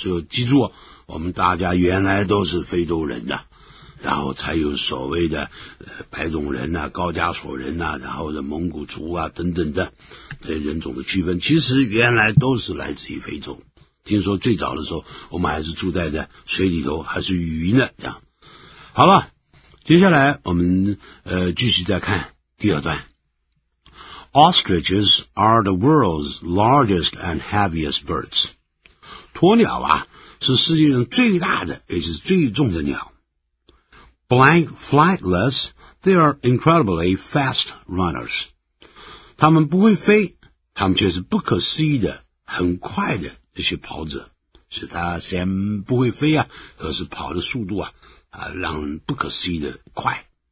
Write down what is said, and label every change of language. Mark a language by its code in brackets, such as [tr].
[zh] 所以记住我们大家原来都是非洲人的、啊、然后才有所谓的白种人啊高加索人啊然后的蒙古族啊等等的这些人种的区分其实原来都是来自于非洲。听说最早的时候我们还是住在的水里头还是鱼呢这样。好了接下来我们继续再看第二段。 [en] Ostriches are the world's largest and heaviest birds. [zh] 鸵鸟啊是世界上最大的也是最重的鸟。 [en] Blank flightless, they are incredibly fast runners. [zh] 他们不会飞他们却是不可思议的很快的。这些跑者是他虽然不会飞啊可是跑的速度啊让人不可思议的快。